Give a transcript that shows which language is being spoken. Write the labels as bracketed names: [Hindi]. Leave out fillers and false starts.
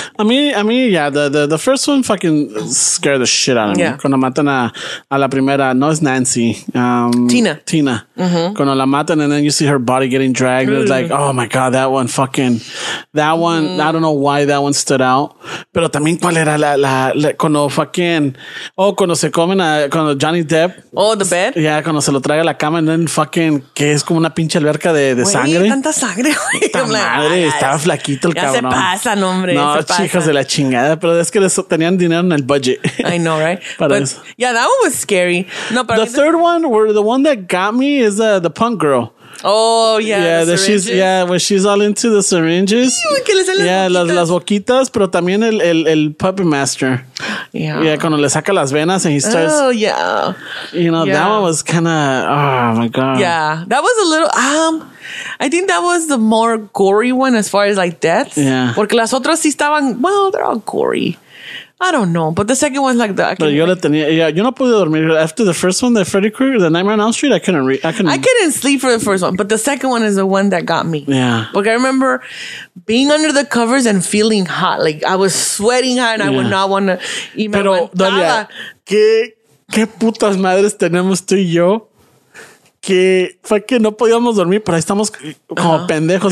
[English] I mean, the first one fucking scared the shit out of me. [Spanish] Cuando matan a la primera, no es Nancy. [English] Tina. Mm-hmm. [Spanish] Cuando la matan, [English] and then you see her body getting dragged. It's like, oh my God, that one, I don't know why that one stood out. [Spanish] Pero también, ¿cuál era la cuando fucking, cuando se comen, cuando Johnny Depp. [English] Oh, the bed? [Spanish] Yeah, cuando se lo traga la cama, [English] and then fucking, [Spanish] que es como una pinche alberca de sangre. Tanta sangre, güey. Madre, estaba flaquito el cabrón. Ya se pasan, hombre. No, chicos de la chingada, pero es que tenían dinero en el budget. [English] I know, right? [Spanish] Para [English] but, [Spanish] eso. [English] Yeah, that one was scary. No, the third one, were the one that got me is the punk girl. Oh yeah, yeah. The she's yeah. When she's all into the syringes, yeah, [Spanish] las boquitas, pero también el puppet master. [English] Yeah, [Spanish] yeah. Cuando le saca las venas [English] and he starts. Oh yeah. You know that one was kind of. Oh my God. Yeah, that was a little. I think that was the more gory one as far as like deaths. Yeah. [Spanish] Porque las otras sí estaban, [English] well, they're all gory. I don't know. But the second one's like that. But [Spanish] yo la tenía, yeah, yo no pude dormir. [English] After the first one, the Freddy Krueger, the Nightmare on Elm Street, I couldn't read. I couldn't sleep for the first one. But the second one is the one that got me. Yeah. Like, I remember being under the covers and feeling hot. Like, I was sweating hot and yeah. I would not want to eat my mouth. [Spanish] Pero, Dalia, ¿qué putas madres tenemos tú y yo? Que fue que no podíamos dormir, pero ahí estamos como pendejos.